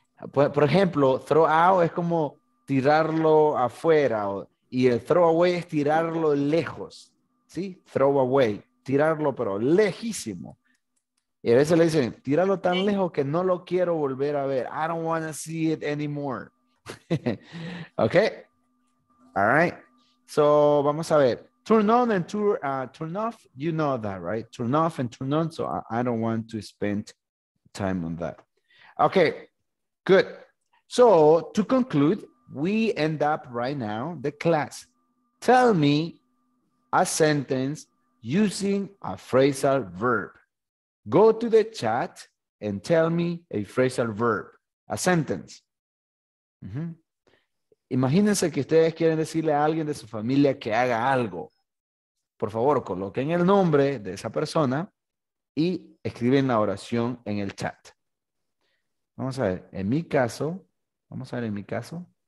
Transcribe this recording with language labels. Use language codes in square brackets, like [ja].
[es] Por ejemplo, throw out es como tirarlo afuera, y el throw away es tirarlo lejos, ¿sí? Throw away, tirarlo pero lejísimo. Y a veces le dicen, tíralo tan lejos que no lo quiero volver a ver. [en] I don't want to see it anymore. Okay? All right, so [es] vamos a ver, [en] turn on and turn off, you know that, right? Turn off and turn on, so I don't want to spend time on that. Okay, good. So to conclude, we end up right now the class. Tell me a sentence using a phrasal verb. Go to the chat and tell me a phrasal verb, a sentence. Mm-hmm. [es] Imagínense que ustedes quieren decirle a alguien de su familia que haga algo. Por favor, coloquen el nombre de esa persona y escriben la oración en el chat. Vamos a ver, en mi caso, vamos a ver en mi caso.